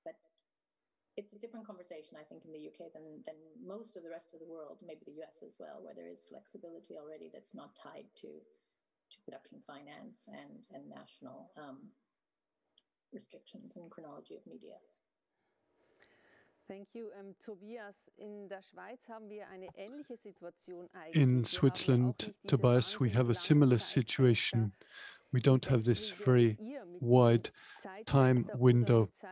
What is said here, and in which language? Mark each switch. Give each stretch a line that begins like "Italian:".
English: But it's a different conversation, I think, in the UK than most of the rest of the world, maybe the US as well, where there is flexibility already that's not tied to production finance and national restrictions and chronology of media. Thank you, Tobias.
German: In der Schweiz haben wir eine ähnliche Situation.
English: In Switzerland, Tobias, we have a similar situation. We don't have this very wide time window.